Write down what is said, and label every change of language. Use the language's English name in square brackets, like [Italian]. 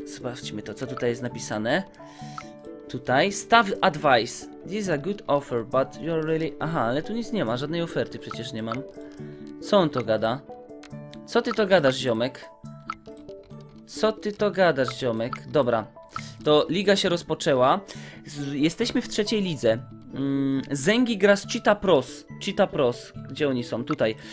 [Polish] Sprawdźmy to, co tutaj jest napisane. Tutaj, [English] staff advice. This is a good offer, but you're really... [Polish] Aha, ale tu nic nie ma, żadnej oferty przecież nie mam. Co on to gada? Co ty to gadasz, ziomek? Co ty to gadasz, ziomek? Dobra, to liga się rozpoczęła. Jesteśmy w trzeciej lidze. Zengi gra z Cheetah Pros. Cheetah Pros, gdzie oni są? Tutaj.